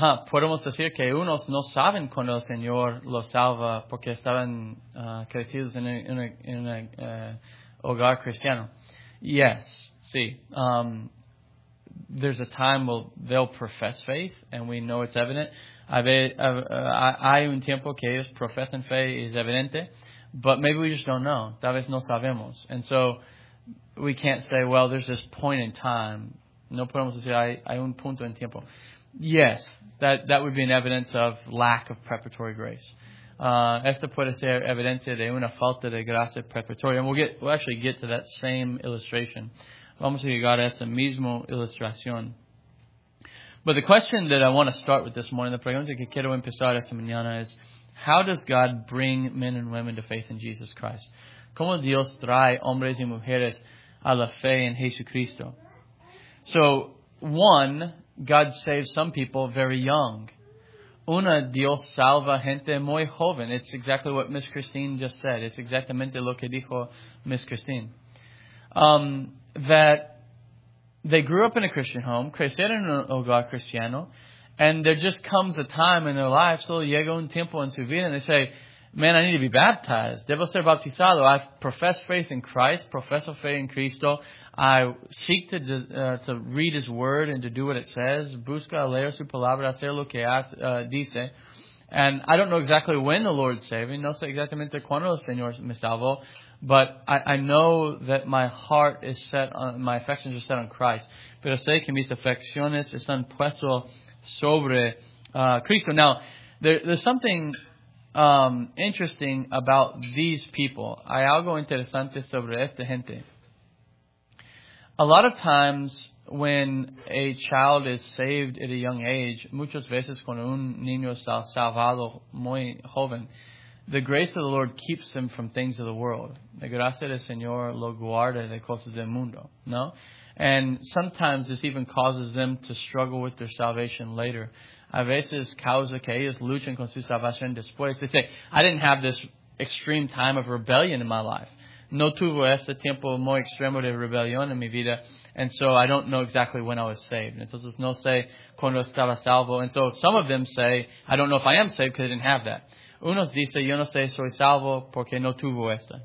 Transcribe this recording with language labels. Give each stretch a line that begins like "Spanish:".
Spanish: Podemos decir que unos no saben cuando el Señor los salva porque estaban crecidos en un hogar cristiano.
English: Yes,
Spanish: sí.
English: There's a time where they'll profess faith, and we know it's evident.
Spanish: Hay un tiempo que ellos profesan fe y es evidente,
English: but maybe we just don't know.
Spanish: Tal vez no sabemos.
English: And so we can't say, well, there's this point in time.
Spanish: No podemos decir, hay un punto en tiempo.
English: Yes, that would be an evidence of lack of preparatory grace.
Spanish: Esto puede ser evidencia de una falta de gracia preparatoria.
English: And we'll actually get to that same illustration. Vamos a llegar a esa misma ilustración. But the question that I want to start with this morning, the
Spanish: pregunta que quiero empezar esta mañana
English: is, how does God bring men and women to faith in Jesus Christ?
Spanish: ¿Cómo Dios trae hombres y mujeres a la fe en Jesucristo?
English: So, one, God saves some people very young.
Spanish: Una, Dios salva gente muy joven.
English: It's exactly what Miss Christine just said. It's
Spanish: exactamente lo que dijo
English: Miss Christine. That they grew up in a Christian home,
Spanish: crecieron en un hogar cristiano,
English: and there just comes a time in their life, so
Spanish: llega un tiempo en su vida,
English: and they say, man, I need to be baptized.
Spanish: Debo ser bautizado.
English: I profess faith in Christ,
Spanish: profeso fe en Cristo.
English: I seek to read His Word and to do what it says.
Spanish: Busca leer su palabra, hacer lo que dice.
English: And I don't know exactly when the Lord saved me.
Spanish: No sé exactamente cuándo el Señor me salvó.
English: But I know that my heart is set on, my affections are set on Christ.
Spanish: Pero sé que mis afecciones están puestas sobre Cristo.
English: Now, there's something interesting about these people.
Spanish: Hay algo interesante sobre esta gente.
English: A lot of times when a child is saved at a young age,
Spanish: muchas veces cuando un niño está salvado muy joven,
English: the grace of the Lord keeps them from things of the world.
Spanish: La gracia del Señor lo guarda de cosas del mundo, ¿no?
English: And sometimes this even causes them to struggle with their salvation later.
Spanish: A veces causa que ellos luchan con su salvación después.
English: They say, I didn't have this extreme time of rebellion in my life.
Spanish: No tuvo este tiempo muy extremo de rebelión en mi vida.
English: And so I don't know exactly when I was saved.
Spanish: Entonces no sé cuando estaba salvo.
English: And so some of them say, I don't know if I am saved because I didn't have that.
Spanish: Unos dice, yo no sé soy salvo porque no tuvo esto.